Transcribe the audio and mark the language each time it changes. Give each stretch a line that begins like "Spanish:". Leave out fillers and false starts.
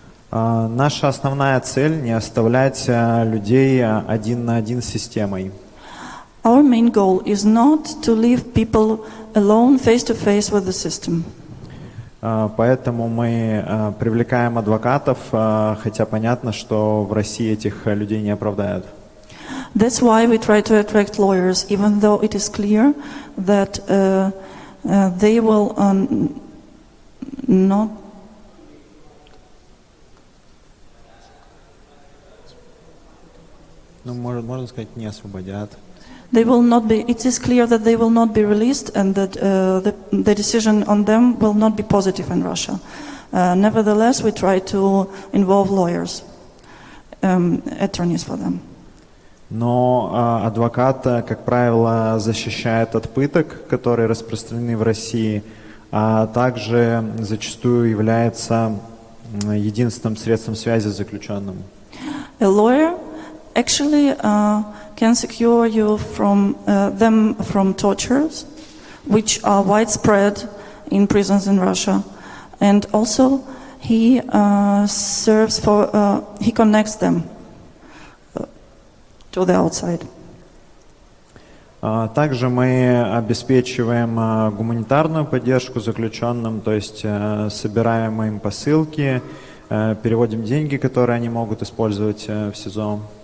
Russian: Наша основная цель — не оставлять людей один на один с системой.
English: Our main goal is not to leave people alone face to face with the system.
Russian: Поэтому мы привлекаем адвокатов, хотя понятно, что в России этих людей не оправдают.
English: That's why we try to attract lawyers, even though it is clear that they will not...
Russian: Ну, можно сказать, не освободят.
English: They will not be, it is clear that they will not be released and that the decision on them will not be positive in Russia. Nevertheless, we try to involve lawyers, attorneys for them.
Russian: Но адвокат, как правило, защищает от пыток, которые распространены в России, а также зачастую является единственным средством связи с заключенным.
English: A lawyer actually can secure you from them from tortures, which are widespread in prisons in Russia, and also he serves for he connects them to the outside.
Russian: Также мы обеспечиваем гуманитарную поддержку заключенным, то есть собираем им посылки, переводим деньги, которые они могут использовать в СИЗО.